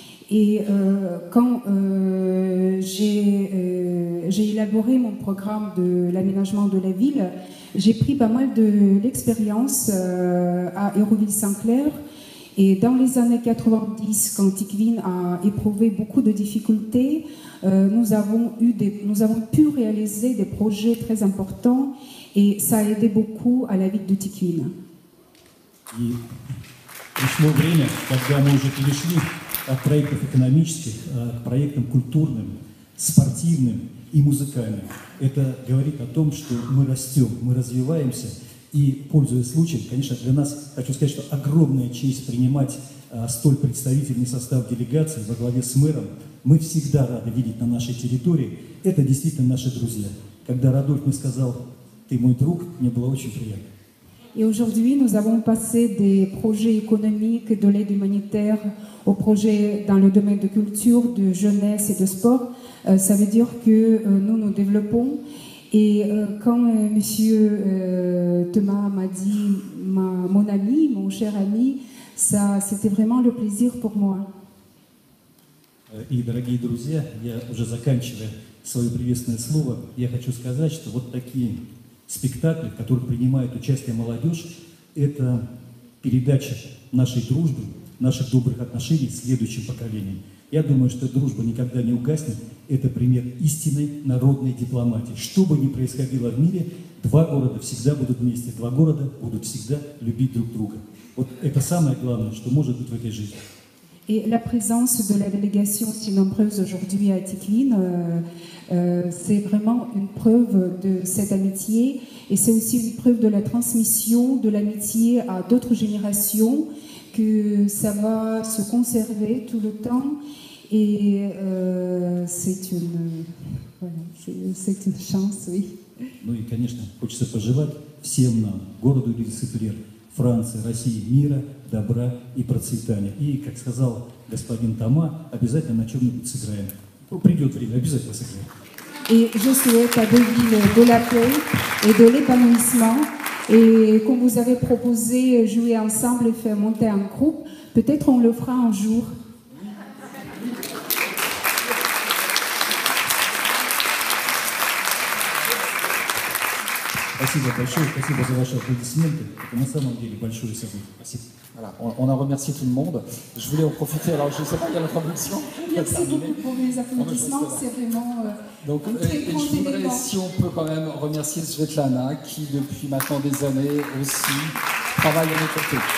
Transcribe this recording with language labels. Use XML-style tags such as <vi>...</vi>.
<fr>Et quand j'ai élaboré mon programme de l'aménagement de la ville, j'ai pris pas mal de l'expérience à Hérouville-Saint-Clair. Et dans les années 90, quand Tiklin a éprouvé beaucoup de difficultés, nous avons pu réaliser des projets très importants et ça a aidé beaucoup à la vie de Tiklin.</fr> <ru>Пришло время, когда мы уже перешли от проектов экономических к проектам культурным, спортивным и музыкальным. Это говорит о том, что мы растем, мы развиваемся. И, пользуясь случаем, конечно, для нас, хочу сказать, что огромная честь принимать столь представительный состав делегации во главе с мэром. Мы всегда рады видеть на нашей территории. Это действительно наши друзья. Когда Радольф мне сказал «ты мой друг», мне было очень приятно.</ru> <fr>Et aujourd'hui, nous avons passé des projets économiques et de l'aide humanitaire aux projets dans le domaine de culture, de jeunesse et de sport. Ça veut dire que nous nous développons. Et quand Monsieur Thomas m'a dit mon ami, mon cher ami, ça, c'était vraiment le plaisir pour moi.</fr> <ru>Et, дорогие друзья, я уже заканчиваю свое приветственное слово. Я хочу сказать, что вот такие спектакль, в котором принимает участие молодежь, это передача нашей дружбы, наших добрых отношений следующим поколениям. Я думаю, что дружба никогда не угаснет. Это пример истинной народной дипломатии. Что бы ни происходило в мире, два города всегда будут вместе, два города будут всегда любить друг друга. Вот это самое главное, что может быть в этой жизни.</ru> <fr>Et la présence de la délégation si nombreuse aujourd'hui à Tiklin, c'est vraiment une preuve de cette amitié et c'est aussi une preuve de la transmission de l'amitié à d'autres générations, que ça va se conserver tout le temps et c'est une chance, oui.</fr> <ru>Ну и, конечно, хочется пожелать всем нам, городу Лисицефлер, Франции, России, мира, добра и процветания. И, как сказал господин Тома, обязательно на чем-нибудь сыграем. Придет время, обязательно сыграем.</ru> <fr>И je souhaite à Deauville de la paix et de l'épanouissement. Et comme vous avez proposé jouer ensemble et faire monter un groupe, peut-être on le fera un jour.</fr> <ru>Спасибо большое, спасибо за ваши аплодисменты. Это на самом деле большое событие. Спасибо.</ru> <fr>Voilà, on a remercié tout le monde. Je voulais en profiter, alors je ne sais pas, il y a la traduction. Merci beaucoup pour les applaudissements, c'est vraiment donc, un très grand événement. Je voudrais, si on peut quand même, remercier Svetlana, qui depuis maintenant des années aussi travaille à mes côtés.</fr>